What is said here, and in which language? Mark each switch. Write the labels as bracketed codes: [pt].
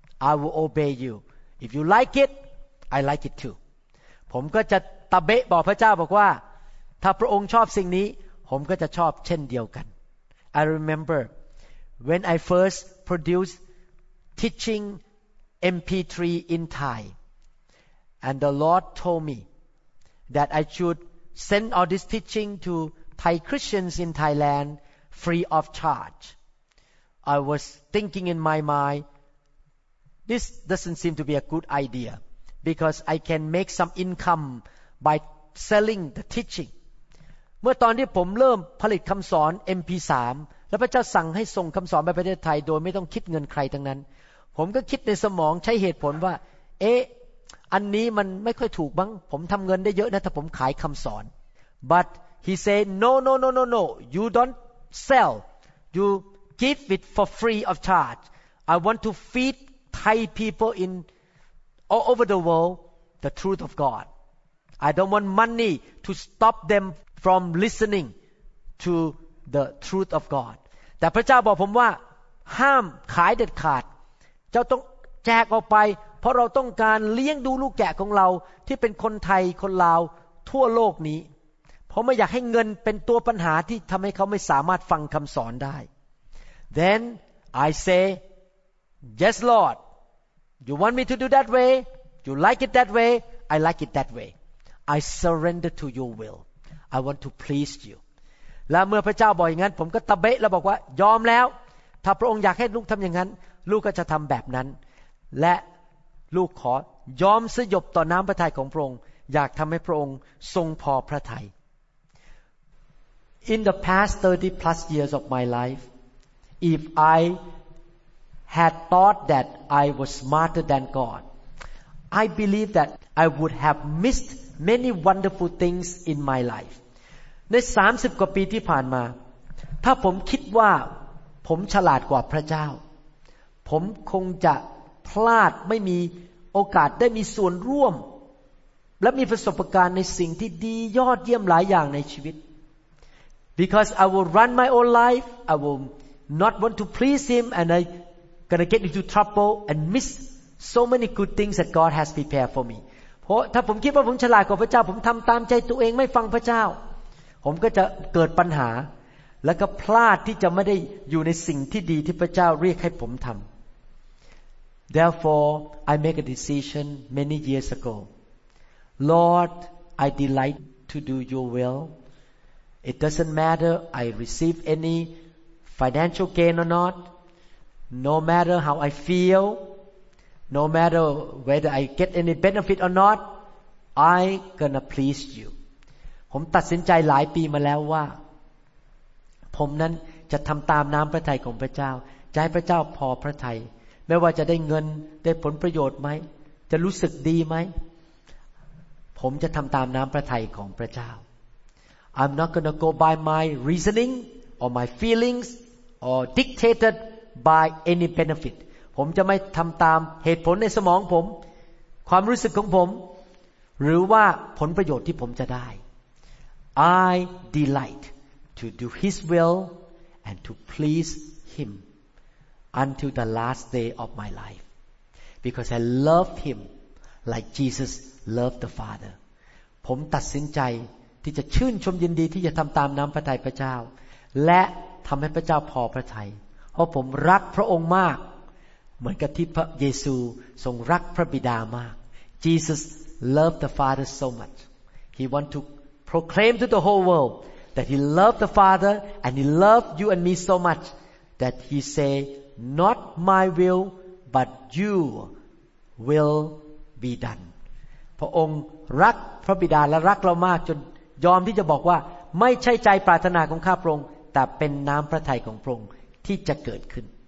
[en] I will obey you if you like it I like it too [th] ผมก็จะตะเบะบอกพระเจ้าบอกว่าถ้าพระองค์ชอบสิ่งนี้ผมก็จะชอบเช่นเดียวกัน [en] I remember when I first produced teaching MP3 in Thai and the Lord told me that I shouldsend all this teaching to Thai Christians in Thailand free of charge. I was thinking in my mind, this doesn't seem to be a good idea because I can make some income by selling the teaching. [th] เมื่อตอนที่ผมเริ่มผลิตคำสอน MP3 แล้วพระเจ้าสั่งให้ส่งคำสอนไปประเทศไทยโดยไม่ต้องคิดเงินใครทั้งนั้นผมก็คิดในสมองใช้เหตุผลว่าเอ๊ะอันนี้มันไม่ค่อยถูกบ้างผมทำเงินได้เยอะนะถ้าผมขายคำสอน [en] but he said no you don't sell you give it for free of charge I want to feed Thai people in all over the world the truth of God. I don't want money to stop them from listening to the truth of God. [th] แต่พระเจ้าบอกผมว่าห้ามขายเด็ดขาดเจ้าต้องแจกออกไปเพราะเราต้องการเลี้ยงดูลูกแกะของเราที่เป็นคนไทยคนลาวทั่วโลกนี้เพราะไม่อยากให้เงินเป็นตัวปัญหาที่ทำให้เขาไม่สามารถฟังคำสอนได้ [en] Then I say Yes Lord You want me to do that way? You like it that way? I like it that way. I surrender to your will. I want to please you. [th] และเมื่อพระเจ้าบอกอย่างนั้นผมก็ตะเบะแล้วบอกว่ายอมแล้วถ้าพระองค์อยากให้ลูกทำอย่างนั้นลูกก็จะทำแบบนั้นและลูกขอยอมสยบต่อน้ำพระทัยของพระองค์อยากทำให้พระองค์ทรงพอพระทัย [en] In the past 30 plus years of my life, if I had thought that I was smarter than God, I believe that I would have missed many wonderful things in my life. [th] ใน 30 กว่าปีที่ผ่านมาถ้าผมคิดว่าผมฉลาดกว่าพระเจ้าผมคงจะพลาดไม่มีโอกาสได้มีส่วนร่วมและมีประสบการณ์ในสิ่งที่ดียอดเยี่ยมหลายอย่างในชีวิต [en] Because I will run my own life I will not want to please him and I gonna get into trouble and miss so many good things that God has prepared for me [th] เพราะถ้าผมคิดว่าผมฉลาดกว่าพระเจ้าผมทำตามใจตัวเองไม่ฟังพระเจ้าผมก็จะเกิดปัญหาแล้วก็พลาดที่จะไม่ได้อยู่ในสิ่งที่ดีที่พระเจ้าเรียกให้ผมทำ [en] Therefore I make a decision many years ago Lord I delight to do your will It doesn't matter I receive any financial gain or not No matter how I feel No matter whether I get any benefit or not I gonna please you [th] ผมตัดสินใจหลายปีมาแล้วว่าผมนั้นจะทำตามน้ำพระทัยของพระเจ้าจะให้พระเจ้าพอพระทัยไม่ว่าจะได้เงินได้ผลประโยชน์ไหมจะรู้สึกดีไหมผมจะทำตามน้ำพระทัยของพระเจ้า [en] I'm not gonna go by my reasoning or my feelings or dictated by any benefit [th] ผมจะไม่ทำตามเหตุผลในสมองผมความรู้สึกของผมหรือว่าผลประโยชน์ที่ผมจะได้ [en] I delightTo do His will and to please Him until the last day of my life, because I love Him like Jesus loved the Father. [th] ผมตัดสินใจที่จะชื่นชมยินดีที่จะทำตามน้ำพระทัยพระเจ้าและทำให้พระเจ้าพอพระทัยเพราะผมรักพระองค์มากเหมือนกับที่พระเยซูทรงรักพระบิดามาก [en] Jesus loved the Father so much. He wants to proclaim to the whole world. That he loved the Father and he loved you and me so much that he say, "Not my will, but you will be done." [th] พระองค์รักพระบิดาและรักเรามากจนยอมที่จะบอกว่าไม่ใช่ใจปรารถนาของข้าพระองค์แต่เป็นน้ำพระทัยของพระองค์ที่จะเกิดขึ้น